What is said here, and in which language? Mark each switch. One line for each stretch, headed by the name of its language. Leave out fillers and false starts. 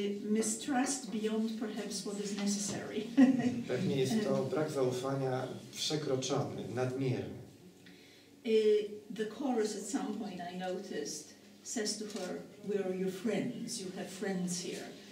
English: Mistrust beyond perhaps what is necessary.
Polish: Pewnie jest to brak zaufania przekroczony, nadmierny.
English: The chorus at some point I noticed says to her, we are your friends, you have friends here.